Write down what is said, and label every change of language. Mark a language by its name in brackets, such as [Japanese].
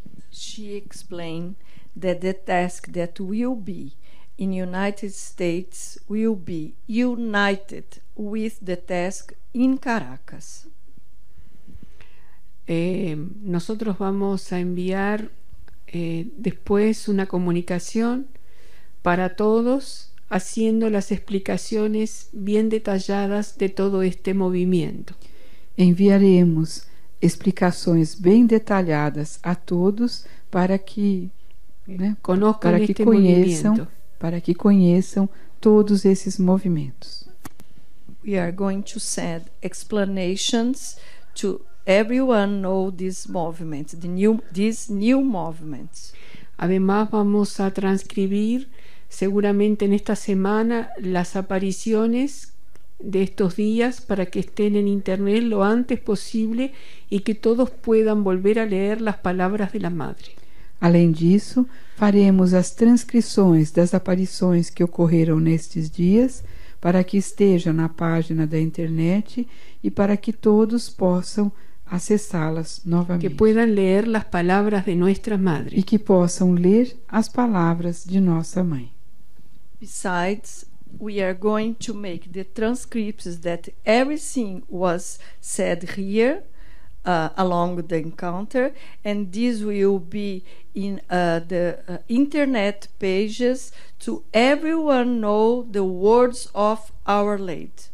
[English] She explained that the task that will be in United States will be united with the task in Caracas. [Spanish] Nosotros vamos a enviar después una comunicación para todos haciendo las explicaciones bien detalladas de todo este movimiento. Enviaremos explicaciones bien detalladas a todos para que conozcan este movimiento, para que conozcan todos esos movimientos. [English] we are going to send explanations to everyone know this movement, this new movement. [Spanish] Además, vamos a transcribir seguramente en esta semana las apariciones de estos días para que estén en internet lo antes posible y que todos puedan volver a leer las palabras de la madre. [Portuguese] Além disso, faremos as transcrições das aparições que ocorreram nestes dias para que estejam na página da internet e para que todos possam acessá-las novamente. [Spanish] Que puedan leer las palabras de nuestra madre. [Portuguese] E que possam ler as palavras de nossa mãe. [English] Besides, we are going to make the transcripts that everything was said here along the encounter, and this will be in the internet pages to everyone know the words of Our Lady.